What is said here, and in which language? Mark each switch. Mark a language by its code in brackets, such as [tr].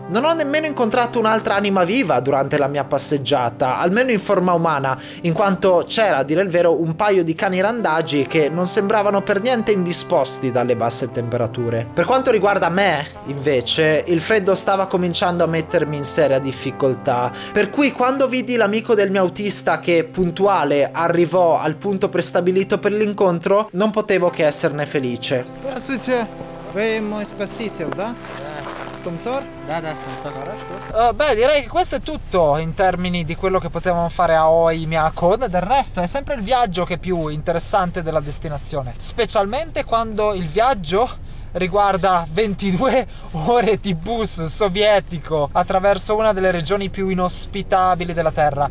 [it] Non ho nemmeno incontrato un'altra anima viva durante la mia passeggiata, almeno in forma umana, in quanto c'era, a dire il vero, un paio di cani randagi che non sembravano per niente indisposti dalle basse temperature. Per quanto riguarda me, invece, il freddo stava cominciando a mettermi in seria difficoltà, per cui quando vidi l'amico del mio autista che puntuale arrivò al punto prestabilito per l'incontro, non potevo che esserne felice. [ru] Здравствуйте, вы мой спаситель, да? [it] Beh, direi che questo è tutto in termini di quello che potevamo fare a Oimiakon. Del resto è sempre il viaggio che è più interessante della destinazione, specialmente quando il viaggio riguarda 22 ore di bus sovietico attraverso una delle regioni più inospitabili della Terra.